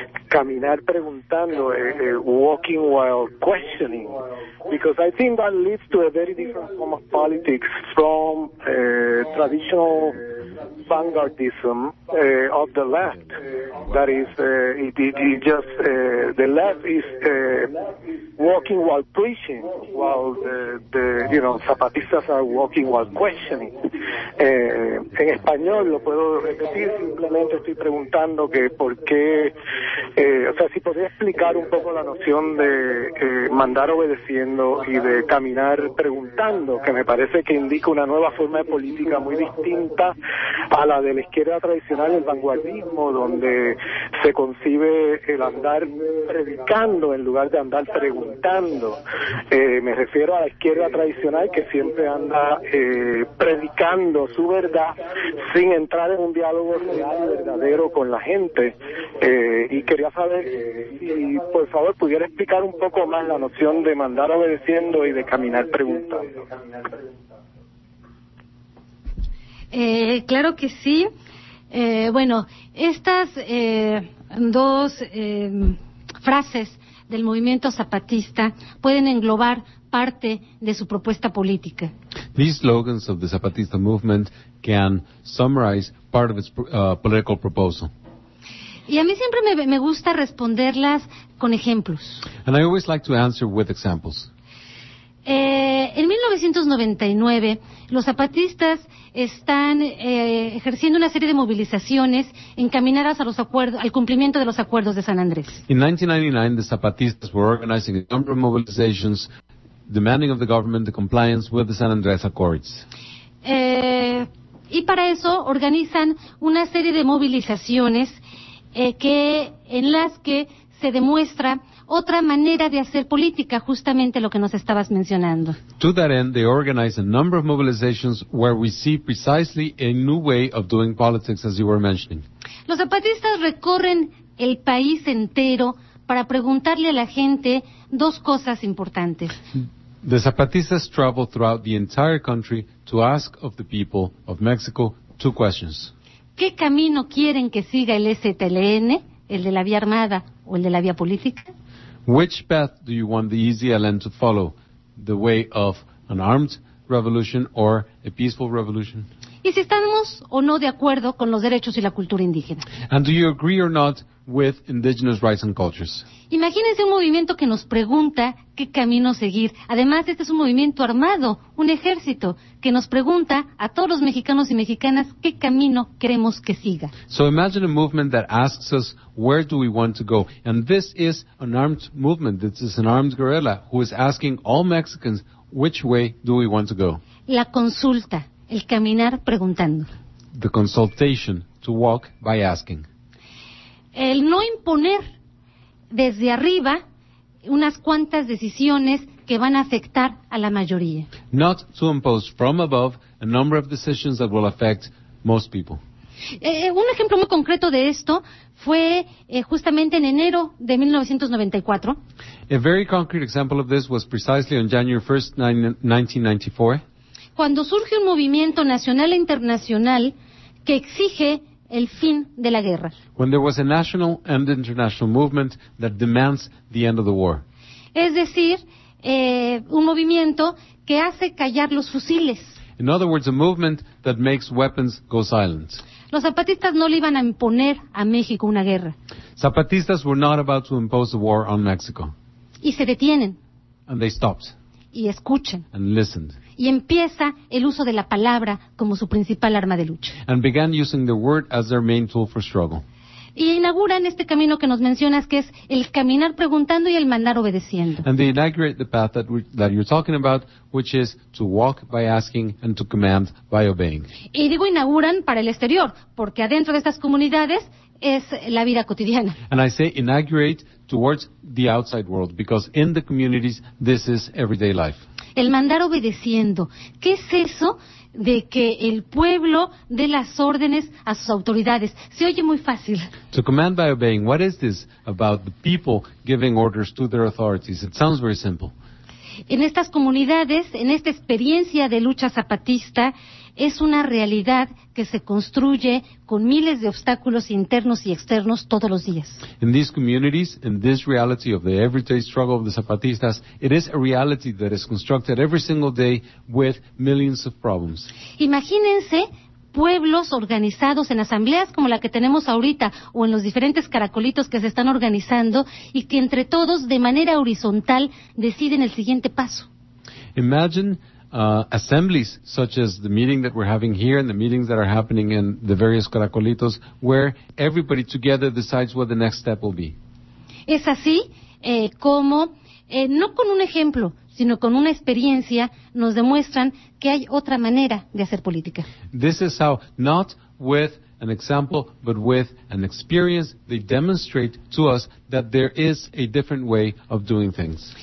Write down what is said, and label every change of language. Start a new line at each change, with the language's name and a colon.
Spanish: caminar preguntando,
English: walking while questioning, because I think that leads to a very different form of politics from traditional vanguardism of the left. That is, the left is walking while preaching, while the zapatistas are walking while questioning.
Spanish: En español lo puedo repetir, simplemente estoy preguntando que por qué, o sea, si podría explicar un poco la noción de mandar obedeciendo y de caminar preguntando, que me parece que indica una nueva forma de política muy distinta a la de la izquierda tradicional, el vanguardismo, donde se concibe el andar predicando en lugar de andar preguntando. Me refiero a la izquierda tradicional que siempre anda predicando su verdad sin entrar en un diálogo real y verdadero con la gente. Y quería saber si, por favor, pudiera explicar un poco más la noción de mandar obedeciendo y de caminar preguntando. Claro que sí. Bueno, estas dos frases del movimiento zapatista pueden englobar parte de su propuesta política.
English: These slogans of the Zapatista movement can summarize part of its political proposal.
Spanish: Y a mí siempre me gusta responderlas con ejemplos.
English: And I always like to answer with examples.
Spanish: En 1999, los zapatistas están ejerciendo una serie de movilizaciones encaminadas a los acuerdos, al cumplimiento de los acuerdos de San Andrés.
English: In 1999, the zapatistas were organizing a number of mobilizations demanding of the government the compliance with the San Andrés Accords.
Spanish: Y para eso organizan una serie de movilizaciones en las que se demuestra otra manera de hacer política, justamente lo que nos estabas mencionando.
English: To that end, they organize a number of mobilizations where we see precisely a new way of doing politics, as you were mentioning.
Spanish: Los zapatistas recorren el país entero para preguntarle a la gente dos cosas importantes.
English: The zapatistas travel throughout the entire country to ask of the people of Mexico two questions.
Spanish: ¿Qué camino quieren que siga el STLN, el de la vía armada o el de la vía política?
English: Which path do you want the EZLN to follow, the way of an armed revolution or a peaceful revolution?
Spanish: ¿Y si estamos o no de acuerdo con los derechos y la cultura indígena?
English: And do you agree or not with indigenous rights and cultures?
Spanish: Imagínense un movimiento que nos pregunta qué camino seguir. Además, este es un movimiento armado, un ejército, que nos pregunta a todos los mexicanos y mexicanas qué camino queremos que siga.
English: So imagine a movement that asks us, where do we want to go? And this is an armed movement. This is an armed guerrilla who is asking all Mexicans, which way do we want to go?
Spanish: La consulta, el caminar preguntando.
English: The consultation, to walk by asking.
Spanish: El no imponer desde arriba unas cuantas decisiones que van a afectar a la mayoría.
English: Not to impose from above a number of decisions that will affect most people.
Spanish: Un ejemplo muy concreto de esto fue justamente en enero de 1994.
English: A very concrete example of this was precisely on January 1st, 1994.
Spanish: Cuando surge un movimiento nacional e internacional que exige el fin de la guerra.
English: When there was a national and international movement that demands the end of the war.
Spanish: Es decir, un movimiento que hace callar los fusiles.
English: In other words, a movement that makes weapons go silent.
Spanish: Los zapatistas no le iban a imponer a México una guerra.
English: Zapatistas were not about to impose a war on Mexico.
Spanish: Y se detienen.
English: And they stopped.
Spanish: Y escuchan.
English: And listened.
Spanish: Y empieza el uso de la palabra como su principal arma de lucha.
English: And began using the word as their main tool for struggle.
Spanish: Y inauguran este camino que nos mencionas, que es el caminar preguntando y el mandar obedeciendo.
English: And they inaugurate the path that you're talking about, which is to walk by asking and to command by obeying.
Spanish: Y digo inauguran para el exterior, porque adentro de estas comunidades es la vida cotidiana.
English: And I say inaugurate towards the outside world, because in the communities, this is everyday life.
Spanish: El mandar obedeciendo. ¿Qué es eso de que el pueblo dé las órdenes a sus autoridades? Se oye muy fácil.
English: To command by obeying. What is this about the people giving orders to their authorities? It sounds very simple.
Spanish: En estas comunidades, en esta experiencia de lucha zapatista, es una realidad que se construye con miles de obstáculos internos y externos todos los días.
English: In these communities, in this reality of the everyday struggle of the Zapatistas, it is a reality that is constructed every single day with millions of problems.
Spanish: Imagínense pueblos organizados en asambleas como la que tenemos ahorita o en los diferentes caracolitos que se están organizando y que entre todos, de manera horizontal, deciden el siguiente paso.
English: Imagine assemblies such as the meeting that we're having here and the meetings that are happening in the various caracolitos where everybody together decides what the next step will be.
Spanish: Es así como, no con un ejemplo, sino con una experiencia, nos demuestran que hay otra manera de hacer política.
English: This is how, not with an example, but with an experience, they demonstrate to us that there is a different way of doing things.